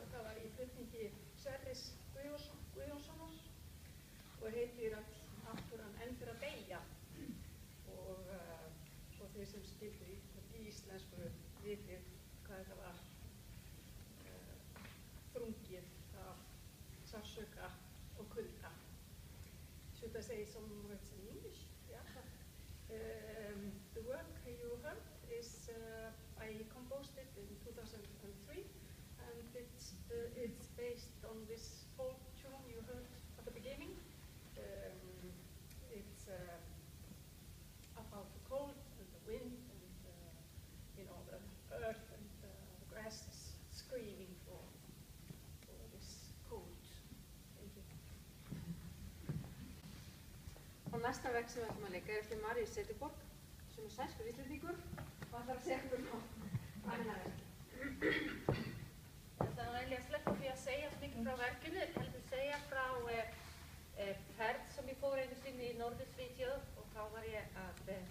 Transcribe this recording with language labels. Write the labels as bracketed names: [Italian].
[Icelandic] Það var í flutningi Sverris Guðjónssonar og heitir að náttúran enn fyrir að deyja og svo þeir sem skildu í íslensku vitið hvað þetta var þrungið af sársauka og kulda. [English] Should I say some words in English? Yeah. The work you heard is I composed it in 2003. And it's based on this folk tune you heard at the beginning. It's about the cold and the wind and you know the earth and the grass screaming for this cold. Thank you. [Icelandic] Og næsta verk sem við ætlum að leika eftir Maríu Seteborg, sem er sænskur íslendingur, og ætlar að segja okkur frá hennar verki. Það er eiginlega sleppa því að segja svo mikið frá verkinu, heldur segja frá ferð sem ég fór einu sinni í Norðursvíþjóð og þá var ég að